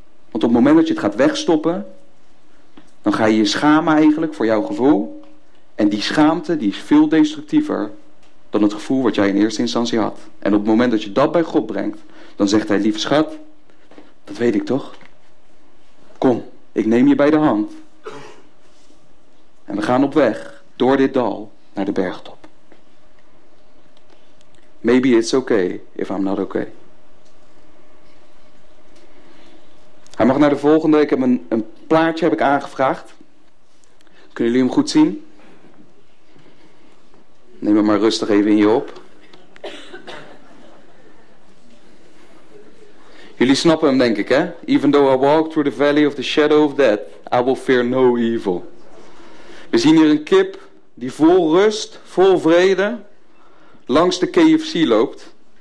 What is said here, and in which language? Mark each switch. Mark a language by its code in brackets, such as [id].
[nl] Want op het moment dat je het gaat wegstoppen, dan ga je je schamen eigenlijk voor jouw gevoel, en die schaamte die is veel destructiever dan het gevoel wat jij in eerste instantie had. En op het moment dat je dat bij God brengt, dan zegt hij, lieve schat, dat weet ik toch? Kom, ik neem je bij de hand. En we gaan op weg, door dit dal, naar de bergtop. [en] Maybe it's okay, if I'm not okay. [nl] Hij mag naar de volgende. Ik heb een plaatje heb ik aangevraagd. Kunnen jullie hem goed zien? Neem het maar rustig even in je op. Jullie snappen hem denk ik, hè? [en] Even though I walk through the valley of the shadow of death, I will fear no evil. [nl] We zien hier een kip die vol rust, vol vrede, langs de KFC loopt.